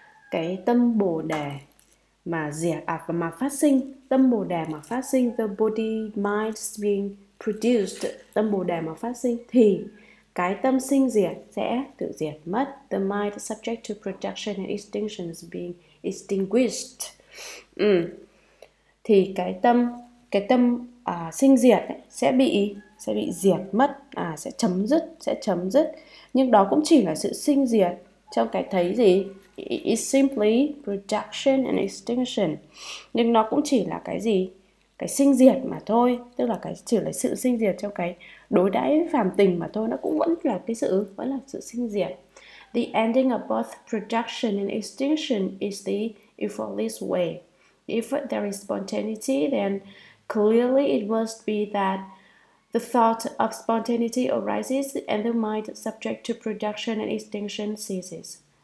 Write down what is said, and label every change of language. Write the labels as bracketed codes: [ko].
[vi] cái tâm bồ đề mà diệt à, mà phát sinh tâm bồ đề mà phát sinh, [en] the body mind being produced, [vi] tâm bồ đề mà phát sinh thì cái tâm sinh diệt sẽ tự diệt mất. [en] The mind subject to production and extinction is being extinguished. [vi] Ừ. Thì cái tâm sinh diệt ấy, sẽ bị diệt mất, à sẽ chấm dứt. Nhưng đó cũng chỉ là sự sinh diệt trong cái thấy gì? [en] It's simply production and extinction. [vi] Nhưng nó cũng chỉ là cái gì? Cái sinh diệt mà thôi, tức là cái chỉ là sự sinh diệt trong cái đối đãi phàm tình mà thôi, nó cũng vẫn là sự sinh diệt. [en] The ending of both production and extinction is the effortless way. If there is spontaneity, then clearly it must be that the thought of spontaneity arises and the mind subject to production and extinction ceases.